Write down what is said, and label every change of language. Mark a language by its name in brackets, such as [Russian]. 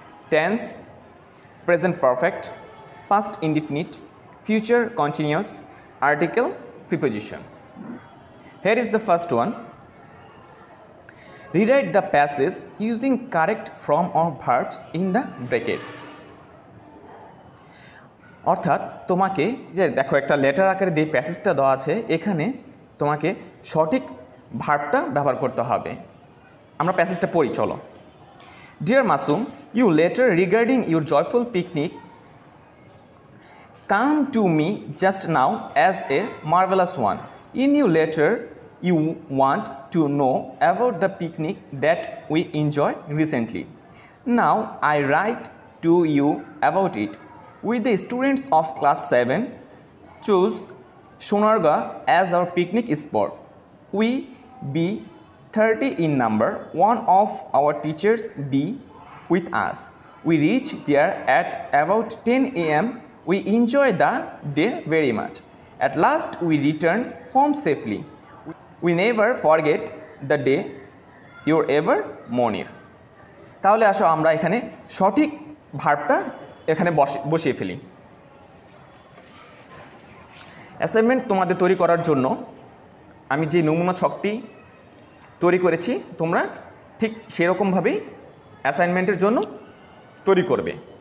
[English] Tense, present perfect, past indefinite, future continuous, article, preposition. Here is the first one. Rewrite the passage using correct form of verbs in the brackets. [Bangla] অর্থাৎ তোমাকে যে দেখো একটা letter আকারে দিয়ে প্যাসেজটা দেওয়া আছে এখানে তোমাকে সঠিক ভার্বটা ব্যবহার করতে হবে আমরা প্যাসেজটা পড়ি চলো [English] Dear Masum, you later regarding your joyful picnic come to me just now as a marvelous one. In your letter, you want to know about the picnic that we enjoyed recently. Now, I write to you about it. With the students of class 7, choose Sonarga as our picnic spot. We be 30 in number, one of our teachers be with us. We reach there at about 10 a.m. We enjoy the day very much. At last, we return home safely. We never forget the day. You're ever Monir. [Bangla] তাহলে আসো আমরা এখানে সঠিক ভার্বটা এখানে বসিয়ে ফেলি assignment তোমাদের তৈরি করার জন্য আমি যে নমুনা ছকটি তৈরি করেছি তোমরা ঠিক সেরকমভাবেই অ্যাসাইনমেন্টের জন্য তৈরি করবে